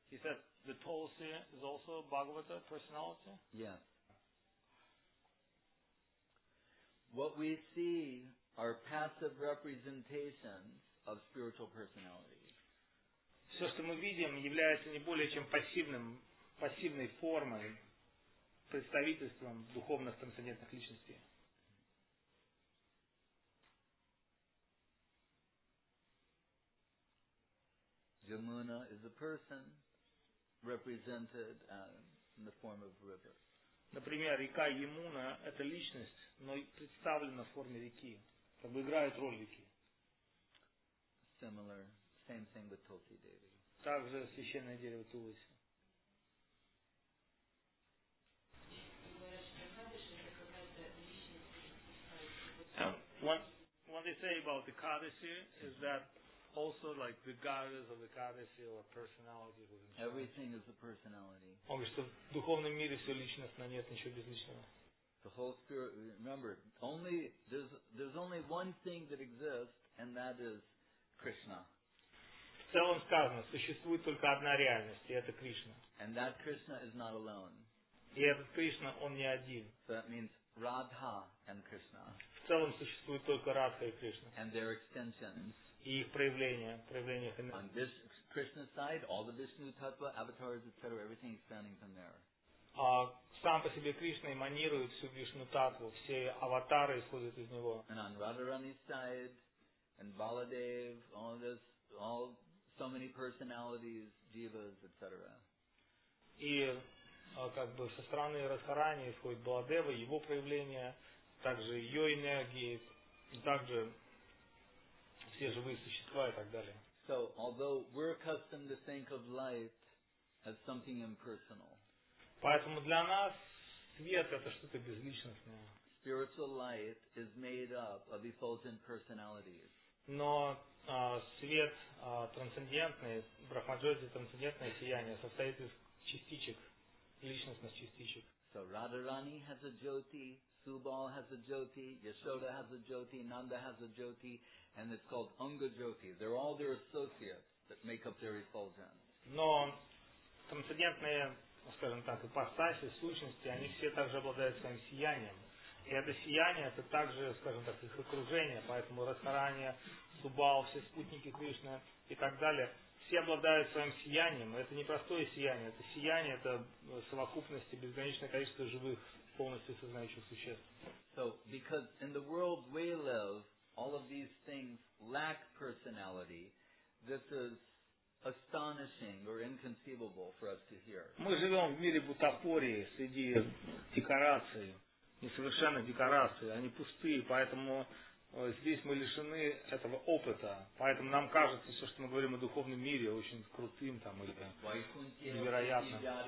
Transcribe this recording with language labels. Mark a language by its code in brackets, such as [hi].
[en] He said the Tulsi is also Bhagavata personality? Yes. What we see are passive representations of spiritual personalities. [ru] Все, что мы видим, является не более чем пассивным, пассивной формой, представительством духовных трансцендентных личностей. [en] Yamuna is a person represented in the form of a river. [ru] Например, река Ямуна – это личность, но представлена в форме реки, как бы играет роль реки. [en] Similar, same thing with Tulsi Devi. [ru] Также священное дерево Тулси. [en] What they say about the Kadesi is that also like the goddess of the Kadesi or personality. Everything is a personality. [ru] Что в духовном мире все личность, но нет ничего безличного. [en] The whole spirit. Remember, only there's only one thing that exists, and that is Krishna. [ru] В целом сказано, существует только одна реальность, и это Кришна. [en] And that Krishna is not alone. [ru] И этот Кришна, он не один. [en] So that means Radha and Krishna. [ru] В целом существует только Радха и Кришна. [en] And their extensions. [ru] И их проявления, проявления. [en] On this Krishna side, all the Vishnu tattva, avatars, etc., everything expanding from there. [ru] Сам по себе Кришна эманирует всю Вишну Таттву, все аватары исходят из него. [en] And on Radharani's side, and Baladev, all this, all so many personalities, divas, etc. [ru] И как бы со стороны Радхарани исходит Баладева, его проявления, также ее энергии, также все живые существа и так далее. [en] So, although we're accustomed to think of light as something impersonal. [ru] Поэтому для нас свет это что-то безличностное. [en] Spiritual light is made up of effulgent personalities. [ru] Но свет трансцендентный, брахмаджоти трансцендентное сияние состоит из частичек. Личностных частичек. [en] So Radharani has a jyoti, Subal has a jyoti, Yashoda has a jyoti, Nanda has a jyoti, and it's called Anga jyoti. They're all their associates that make up their effulgence. [ru] Но трансцендентные, скажем так, ипостаси, сущности, они все также обладают своим сиянием. И это сияние, это также, скажем так, их окружение, поэтому Радхарани, Субал, все спутники Кришны и так далее. Все обладают своим сиянием. Это не простое сияние. Это сияние, это совокупность и безграничное количество живых, полностью сознающих существ. [en] So, because in the world we live, all of these things lack personality, this is astonishing or inconceivable for us to hear. [ru] Мы живем в мире бутафории среди декораций, несовершенных декораций. Они пустые, поэтому здесь мы лишены этого опыта, поэтому нам кажется все, что мы говорим о духовном мире, очень крутым там или невероятным.